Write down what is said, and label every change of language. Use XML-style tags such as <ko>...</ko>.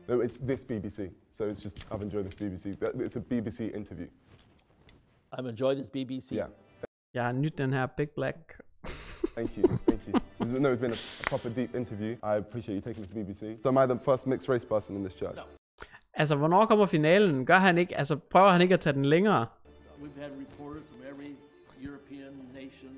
<en>No, it's this BBC, so it's just, I've enjoyed this BBC. It's a BBC interview. I've enjoyed this BBC. Yeah, I knew her big black. Thank you. No, it's been a proper deep interview. I appreciate you taking this BBC. So am I the first mixed race person in this church? No.</en> <da>Altså, hvornår kommer finalen? Gør han ikke, altså, prøver han ikke at tage den længere?</da> <en>We've had reporters from every European nation.</en>